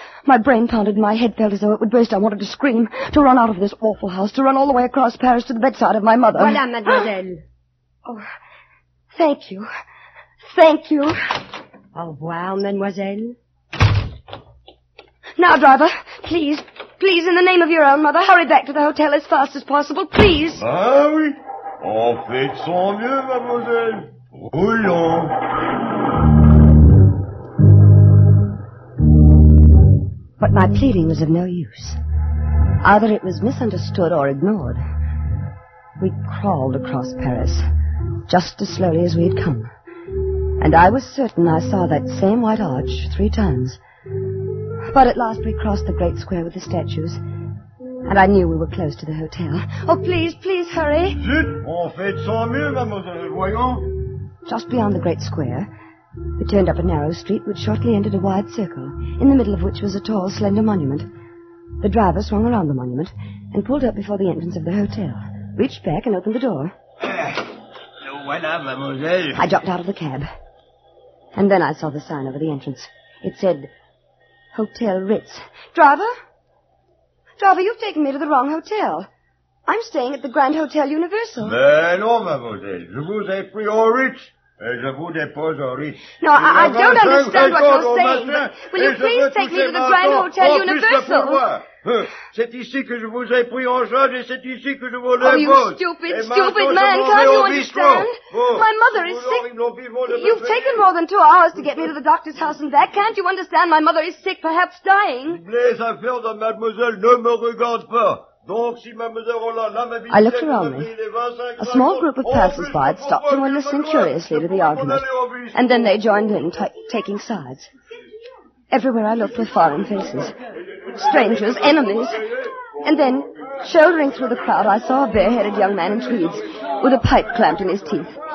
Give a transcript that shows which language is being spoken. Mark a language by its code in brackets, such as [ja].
[en] My brain pounded, my head felt as though it would burst. I wanted to scream, to run out of this awful house, to run all the way across Paris to the bedside of my mother. [fr] Voilà, mademoiselle. [en] Oh, thank you. Thank you. [fr] Au revoir, mademoiselle. [en] Now, driver, please, please, in the name of your own mother, hurry back to the hotel as fast as possible, please. [fr] Ah oui, en fait, sans mieux, mademoiselle. Roulons. [en] But my pleading was of no use. Either it was misunderstood or ignored. We crawled across Paris, just as slowly as we had come. and I was certain I saw that same white arch 3 times. But at last we crossed the great square with the statues, and I knew we were close to the hotel. Oh, please, please hurry. [fr] Zut, on fait sans mieux, mademoiselle, voyons. [en] Just beyond the great square, we turned up a narrow street which shortly entered a wide circle, in the middle of which was a tall, slender monument. The driver swung around the monument and pulled up before the entrance of the hotel, reached back and opened the door. [fr] Voilà, mademoiselle. [en] I jumped out of the cab. And then I saw the sign over the entrance. It said, Hotel Ritz. Driver? Driver, you've taken me to the wrong hotel. I'm staying at the Grand Hotel Universal. [fr] Mais non, mademoiselle. Je vous ai pris au Ritz. Et je vous dépose au Ritz. [en] No, I don't understand what you're saying. Will you please take me to the Grand Hotel Universal? [fr] C'est ici que je vous ai pris en charge et c'est ici que je vous dépose. [en] Oh, you stupid, stupid man. Can't you understand? My mother is sick. You've taken more than 2 hours to get me to the doctor's house and back. Can't you understand? My mother is sick, perhaps dying. [fr] Les affaires de mademoiselle ne me regardent pas. [en] I looked around me. A small group of passers-by had stopped and were listening curiously to the argument. And then they joined in, taking sides. Everywhere I looked were foreign faces. Strangers, enemies. And then, shouldering through the crowd, I saw a bare-headed young man in tweeds, with a pipe clamped in his teeth.